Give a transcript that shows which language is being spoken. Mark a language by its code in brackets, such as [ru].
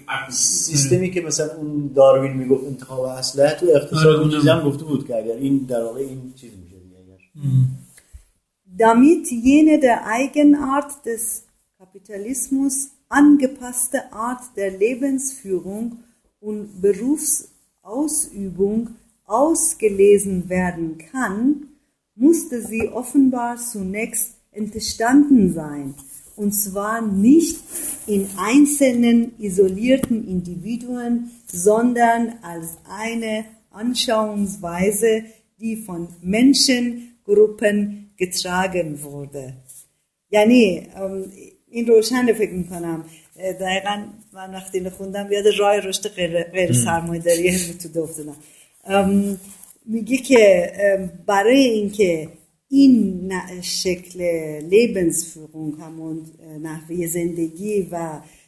[fa] سیستمی که مثلا اون داروین میگفت انتخاب اسلحه تو اقتصاد اون چیزا گفته بود که اگر این در واقع این چیز میشه دیگه، اگر [de] damit jene der Eigenart des Kapitalismus angepasste Art der Lebensführung und Berufsausübung ausgelesen werden kann, musste sie offenbar zunächst entstanden sein, und zwar nicht in einzelnen isolierten Individuen, sondern als eine Anschauungsweise, die von Menschengruppen getragen wurde. [fa] یعنی این روشن رو فکر میکنم دقیقا من وقتی نخوندم یاد رای رشد غیر سرمایه‌داری تو دفتنم میگه که برای اینکه این شکل لیبنسفیرون همون نحوه زندگی و